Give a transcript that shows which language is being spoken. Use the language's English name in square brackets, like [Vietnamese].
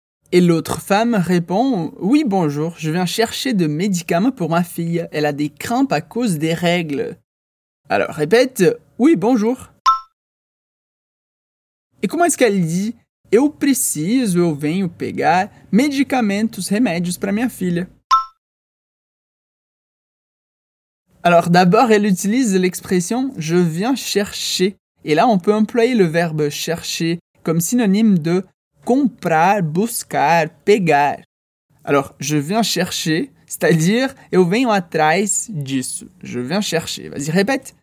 [French] Et l'autre femme répond, oui bonjour, je viens chercher de médicaments pour ma fille. Elle a des crampes à cause des règles. Alors répète, oui bonjour. Et comment est-ce qu'elle dit ? [Portuguese] Eu preciso, eu venho pegar medicamentos, remédios para minha filha. [French] Alors d'abord, elle utilise l'expression « je viens chercher ». Et là, on peut employer le verbe « chercher » comme synonyme de « [Portuguese] comprar, buscar, pegar ». [French] Alors, « je viens chercher », c'est-à-dire « [Portuguese] eu venho atrás disso [French] ». « Je viens chercher ». Vas-y, répète.